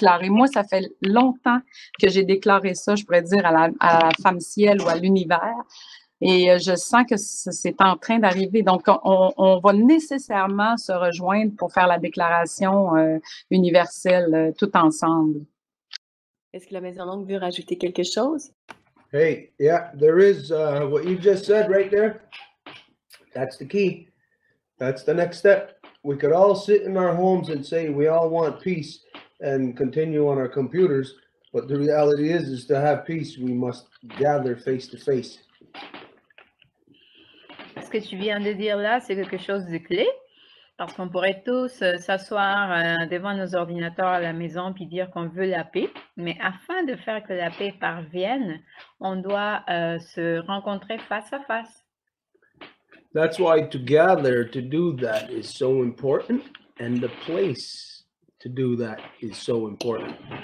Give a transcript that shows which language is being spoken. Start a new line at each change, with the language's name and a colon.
French: Moi, ça fait longtemps que j'ai déclaré ça, je pourrais dire, à la femme ciel ou à l'univers. Et je sens que c'est en train d'arriver. Donc, on va nécessairement se rejoindre pour faire la déclaration universelle tout ensemble. Est-ce que la Maison Longue veut rajouter quelque chose?
English: Hey, yeah, there is what you just said right there. That's the key. That's the next step. We could all sit in our homes and say we all want peace and continue on our computers. But the reality is to have peace, we must gather face to face.
French: Ce que tu viens de dire là, c'est quelque chose de clé, parce qu'on pourrait tous s'asseoir devant nos ordinateurs à la maison puis dire qu'on veut la paix, mais afin de faire que la paix parvienne, on doit se rencontrer face à face.
English: That's why to gather, to do that is so important, and the place to do that is so important.